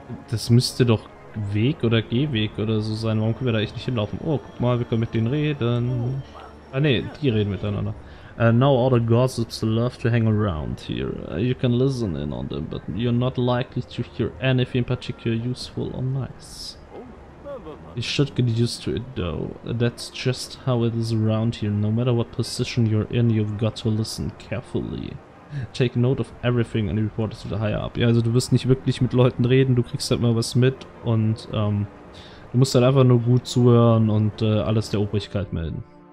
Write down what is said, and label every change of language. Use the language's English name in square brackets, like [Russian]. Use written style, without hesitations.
[German] Das müsste doch Weg oder Gehweg oder so sein. Warum können wir da echt nicht hinlaufen? Oh, guck mal, wir können mit denen reden. Ah ne, die reden miteinander. [English] Now all the gossips love to hang around here. You can listen in on them, but you're not likely to hear anything particular useful or nice. You should get used to it though. That's just how it is around here. No matter what position you're in, you've got to listen carefully. Take note of everything and report it to the higher up. [German] Ja, also du wirst nicht wirklich mit Leuten reden, du kriegst halt mal was mit und du musst halt einfach nur gut zuhören und alles der Obrigkeit melden.